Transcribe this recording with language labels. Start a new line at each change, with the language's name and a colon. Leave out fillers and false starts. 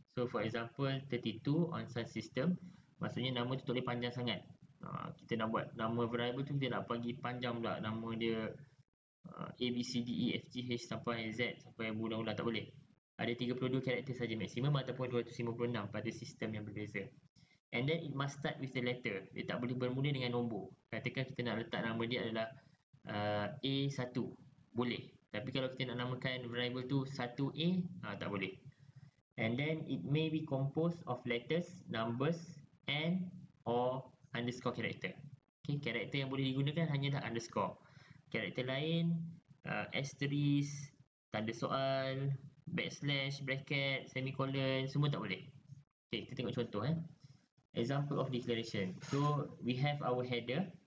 English: So for example 32 on sun system.
Malay: Maksudnya nama tu tak boleh panjang sangat. Kita nak buat nama variable tu, kita nak bagi panjang pula nama dia A, B, C, D, E, F, G, H sampai Z. Sampai bulan-bulan tak boleh. Ada 32 karakter saja maksimum ataupun 256 pada sistem yang berbeza.
English: And then it must start with the letter.
Malay: Dia tak boleh bermula dengan nombor. Katakan kita nak letak nama dia adalah A1. Boleh. Tapi kalau kita nak namakan variable tu 1A, tak boleh.
English: And then it may be composed of letters, numbers, and or underscore character.
Malay: Okay, character yang boleh digunakan hanyalah underscore. Character lain, asterisk, tanda soal, backslash, bracket, semicolon, semua tak boleh. Okay, kita tengok contoh eh.
English: Example of declaration. So we have our header.